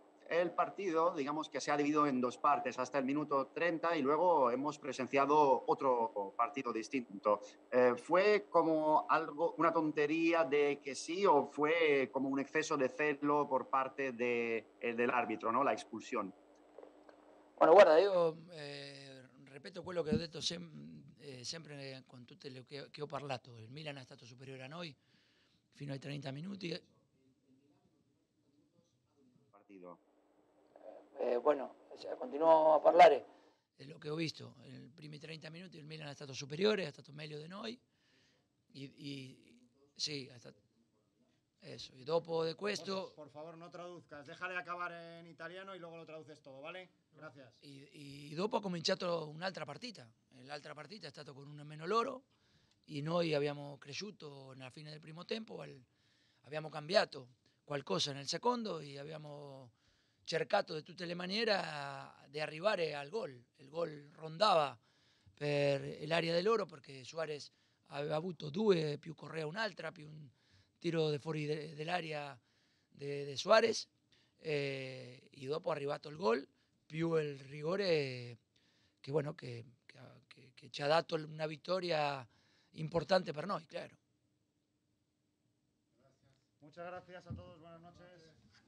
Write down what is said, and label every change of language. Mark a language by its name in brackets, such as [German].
[Spanish] El partido, digamos que se ha dividido en dos partes, hasta el minuto 30 y luego hemos presenciado otro partido distinto. ¿Fue como algo, una tontería de que sí o fue como un exceso de celo por parte del árbitro, ¿no? La expulsión? Bueno, guarda, yo repito [Italian] quello [Spanish] que he dicho siempre [Italian] con tutte le che ho parlato. [Spanish] El Milan ha estado superior a [Italian] noi fino ai 30 minuti. [Spanish] Partido. Bueno, continúo a hablar. De lo que he visto, en el primer 30 minutos el Milan ha estado superior, ha estado medio de noi. Y sí, hasta eso. [Italian] Y dopo de questo. [Spanish] Por favor, no traduzcas, déjale acabar en italiano y luego lo traduces todo, ¿vale? Gracias. [Italian] Y dopo ha cominciato un'altra partita. L'altra partita è stato con un meno loro e noi abbiamo cresciuto nella fine del primo tempo, abbiamo cambiato qualcosa nel secondo e abbiamo cercato di tutte le maniere di arrivare al gol. Il gol rondava per l'area di loro perché Suarez aveva avuto due, più Correa un'altra, più un tiro di fuori dell'area di Suarez e dopo è arrivato il gol, più il rigore che, bueno, che ci ha dato una vittoria importante per noi, claro. [Spanish] Muchas gracias a todos, buenas noches.